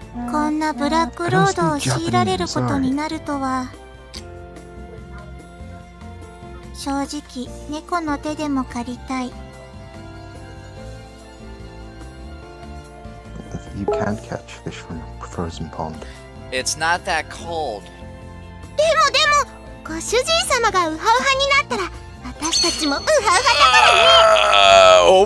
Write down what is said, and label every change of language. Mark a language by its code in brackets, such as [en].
[ja] こんなブラックロードを強いられることになるとは正直猫の手でも借りたい [en] You can't catch fish from a frozen pond. It's not that cold. [ja] でもでもご主人様がウハウハになったら私たちもウハウハだからね